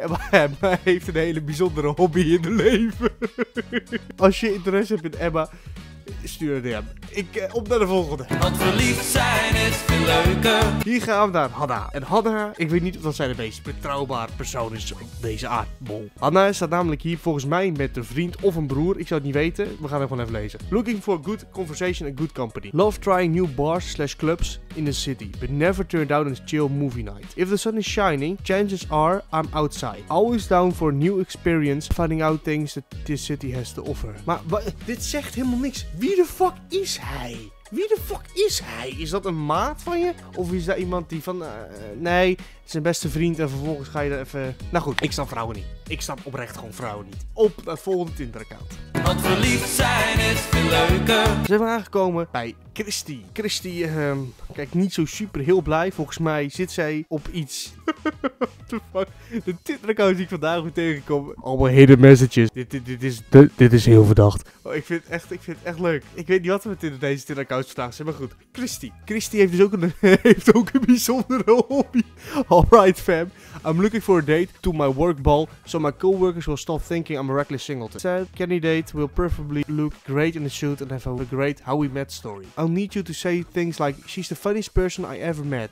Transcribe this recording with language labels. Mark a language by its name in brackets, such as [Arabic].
[Dutch] Emma heeft een hele bijzondere hobby in het leven. Als je interesse hebt in Emma, stuur een DM. Op naar de volgende. Want verliefd zijn is veel leuker. Hier gaan we naar Hanna. En Hanna, ik weet niet of dat zij de meest betrouwbare persoon is op deze aardbol. Hanna staat namelijk hier volgens mij met een vriend of een broer. Ik zou het niet weten. We gaan hem gewoon even lezen. [English] Looking for a good conversation and good company. Love trying new bars / clubs in the city. But never turn down a chill movie night. If the sun is shining, chances are I'm outside. Always down for a new experience. Finding out things that this city has to offer. [Dutch] Maar dit zegt helemaal niks. Wie de fuck is hij? Wie de fuck is hij? Is dat een maat van je? Of is dat iemand die van... Nee, zijn beste vriend en vervolgens ga je er even... Nou goed, ik snap vrouwen niet. Ik snap oprecht gewoon vrouwen niet. Op het volgende Tinder-account. Want verliefd zijn is veel leuker. Zijn we aangekomen bij Christy. Christy, kijk, niet zo super heel blij. Volgens mij zit zij op iets... [English] What the fuck? [Dutch] De Tinder-account die ik vandaag weer tegenkom. Allemaal [English] hidden messages. [Dutch] Dit is heel verdacht. Oh, ik vind het echt leuk. Ik weet niet wat er met deze Tinder-account vandaag zijn, maar goed. Christy. Christy heeft dus ook een bijzondere hobby. [English] Alright, fam. I'm looking for a date to my work ball, so my coworkers will stop thinking I'm a reckless singleton. Said candidate will preferably look great in a suit and have a great how we met story. I'll need you to say things like, she's the funniest person I ever met.